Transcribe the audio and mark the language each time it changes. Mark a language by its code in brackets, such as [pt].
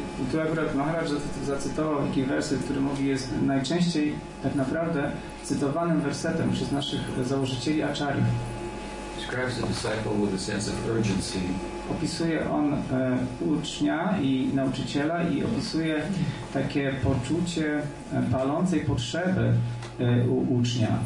[pl] Tu akurat Maharaj zacytował taki werset, który mówi, jest najczęściej tak naprawdę cytowanym wersetem przez naszych założycieli Acharya. [en] Describes the disciple with a sense of urgency. [pl] Opisuje on ucznia i nauczyciela i opisuje takie poczucie palącej potrzeby u ucznia.